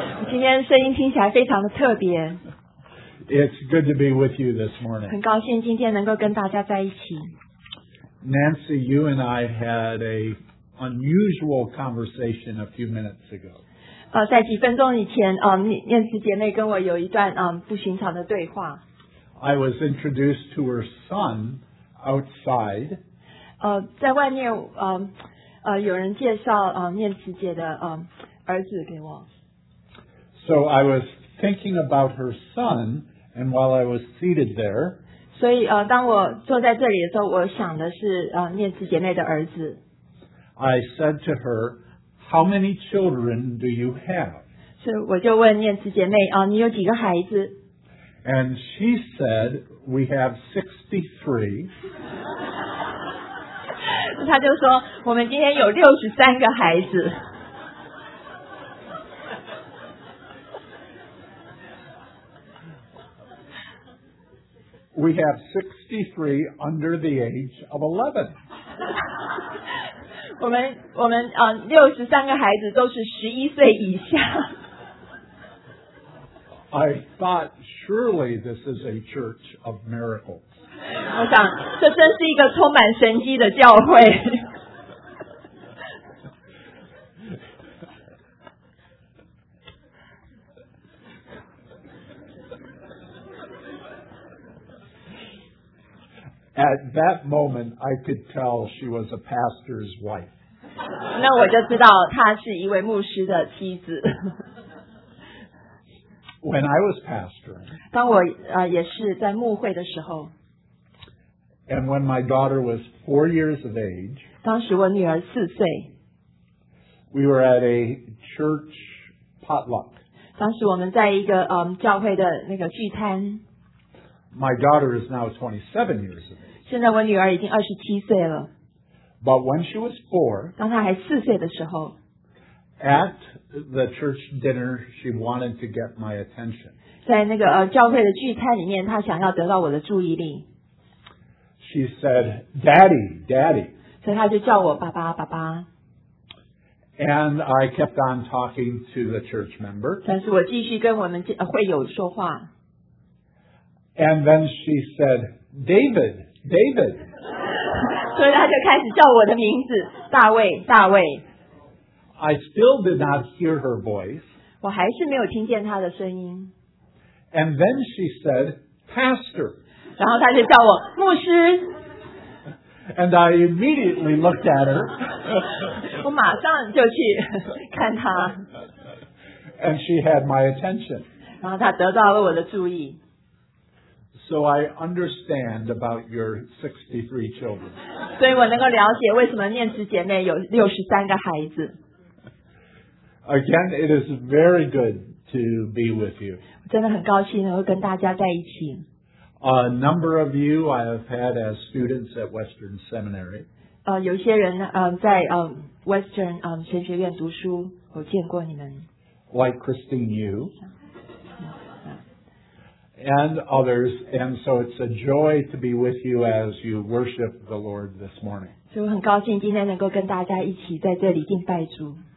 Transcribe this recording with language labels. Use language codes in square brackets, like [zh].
[zh] 今天声音听起来非常的特别。 [en] It's good to be with you this morning. [zh] 很高兴今天能够跟大家在一起。 [en] Nancy, you and I had an unusual conversation a few minutes ago. [zh] 在几分钟以前，Nancy姐妹跟我有一段不寻常的对话。 [en] I was introduced to her son outside. [zh] 在外面有人介绍念慈姐的儿子给我。 [en] So I was thinking about her son, and while I was seated there, [zh] 所以当我坐在这里的时候，我想的是念慈姐妹的儿子。 [en] I said to her, "How many children do you have?" [zh] 所以我就问念慈姐妹你有几个孩子？ [en] And she said, "We have 63." [zh] 他就说我们今天有63个孩子。 [en] We have 63 under the age of 11. [zh] 我们63个孩子都是11岁以下。 [en] I thought, surely this is a church of miracles. [zh] 我想这真是一个充满神迹的教会。 [en] At that moment, I could tell she was a pastor's wife. [zh] 那我就知道她是一位牧师的妻子。 [en] When I was pastoring, [zh] 当我也是在牧会的时候， [en] and when my daughter was 4 years of age, [zh] 当时我女儿4岁， [en] we were at a church potluck. [zh] 当时我们在一个教会的那个聚餐。 [en] My daughter is now 27 years of age. [zh] 现在我女儿已经27岁了。 [en] But when she was 4, [zh] 当她还4岁的时候， [en] at the church dinner, she wanted to get my attention. [zh] 在那个教会的聚餐里面，她想要得到我的注意力。 [en] She said, Daddy, Daddy. [zh] 所以她就叫我爸爸，爸爸。 [en] And I kept on talking to the church member. [zh] 但是我继续跟我们会友说话。 [en] And then she said, David, David. [zh] 所以她就开始叫我的名字，大卫，大卫。 [en] I still did not hear her voice. [zh] 我还是没有听见她的声音。 [en] And then she said, Pastor. [zh] 然后她就叫我牧师。 [en] And I immediately looked at her. [zh] 我马上就去看她。 [en] And she had my attention. [zh] 然后她得到了我的注意。 [en] So I understand about your 63 children. [zh] 所以我能够了解为什么念慈姐妹有63个孩子。 [en] Again, it is very good to be with you. [zh] 真的很高兴能够跟大家在一起。 [en] A number of you I have had as students at Western Seminary. [zh] 有些人在Western 神学院读书，我见过你们。 [en] Like Christine Yu. And others, and so it's a joy to be with you as you worship the Lord this morning. [zh] 所以我很高兴今天能够跟大家一起在这里敬拜主。